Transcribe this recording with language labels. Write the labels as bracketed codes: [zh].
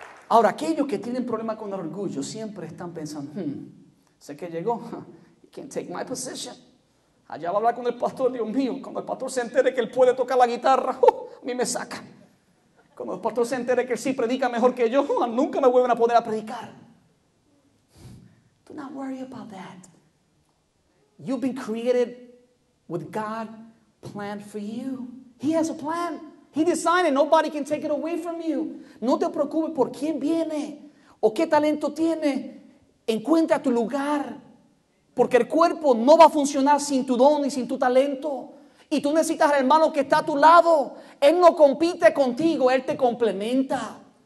[es] Ahora, aquellos que tienen problema con el orgullo siempre están pensando, sé que llegó, [en] can't take my position. [es] Allá va a hablar con el pastor, Dios mío, cuando el pastor se entere que él puede tocar la guitarra, a mí me saca. Cuando el pastor se entere que él sí predica mejor que yo, nunca me vuelven a poner a predicar. [en] Do not worry about that. You've been created with God's plan for you. He has a plan. He designed it. Nobody can take it away from you. [es] No te preocupes por quién viene o qué talento tiene. Encuentra tu lugar. Porque el cuerpo no va a funcionar sin tu don y sin tu talento. Y tú necesitas al hermano que está a tu lado. Él no compite contigo, él te complementa.